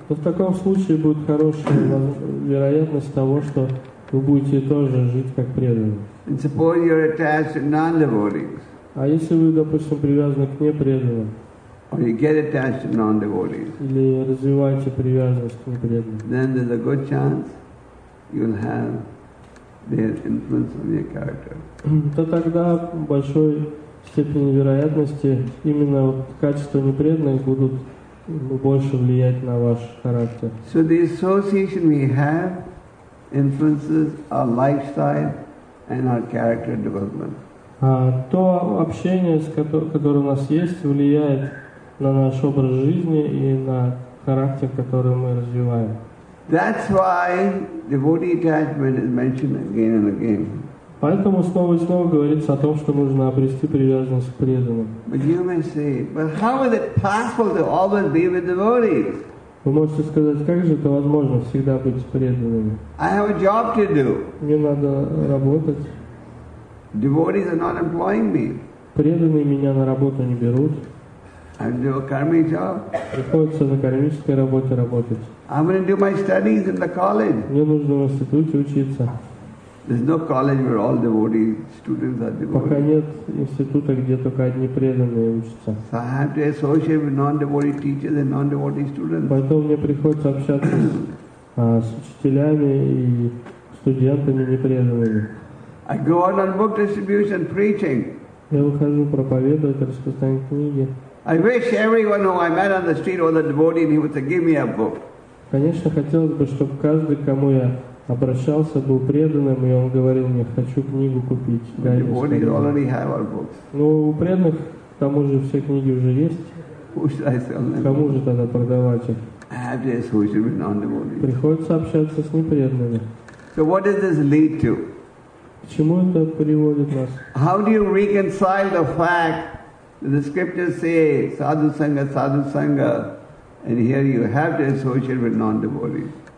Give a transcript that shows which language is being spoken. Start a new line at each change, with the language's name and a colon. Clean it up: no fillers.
Russian: В таком случае будет хорошая вероятность того, что вы будете тоже жить как преданный.
English: And suppose you're attached to non-devotees.
Russian: А если вы, допустим, привязаны к непреданным?
English: Or you get attached to non-devotees.
Russian: Или развиваете привязанность к непреданным?
English: Then there's a good chance you'll have their influence on your character.
Russian: То тогда большой степени вероятности именно вот качества непреданных будут больше влиять на ваш характер.
English: So the association we have influences our lifestyle and our character development.
Russian: То общение, которое у нас есть, влияет на наш образ жизни и на характер, который мы развиваем.
English: That's why devotee attachment is mentioned again and again.
Russian: Поэтому снова и снова говорится о том, что нужно обрести привязанность к преданным.
English: But you may say, but how is it possible to always be with devotees?
Russian: Вы можете сказать, как же это возможно всегда быть с преданными?
English: I have a job to do.
Russian: Мне надо работать.
English: Devotees are not employing me.
Russian: Преданные меня на работу не берут.
English: I do a karmi job.
Russian: Приходится на кармической работе работать.
English: I'm going to do my studies in the college.
Russian: Мне нужно в институте учиться.
English: There's no college where all devotees, students are devotees.
Russian: Пока нет института, где только одни преданные учатся.
English: So I have to associate with non-devotee teachers and non-devotee students.
Russian: Поэтому мне приходится общаться с учителями и студентами непреданными.
English: I go out on book distribution preaching.
Russian: Я выхожу проповедовать, распространять книги.
English: I wish everyone who I met on the street was a devotee and he would say, give me a book.
Russian: Конечно, хотелось бы, чтобы каждый, кому я обращался, был преданным, и он говорил мне, хочу книгу купить. Да,
English: devotees already have our books.
Russian: Ну, у преданных, к тому же, все книги уже есть.
English: Who should I sell them?
Russian: Кому же тогда продавать их?
English: I have to associate with non-devotees.
Russian: Приходится общаться с непреданными.
English: So what does this lead to?
Russian: К чему это приводит нас?
English: How do you reconcile the fact that the scriptures say, sadhu sangha, sadhu sangha, and here you have to associate with non-devotees?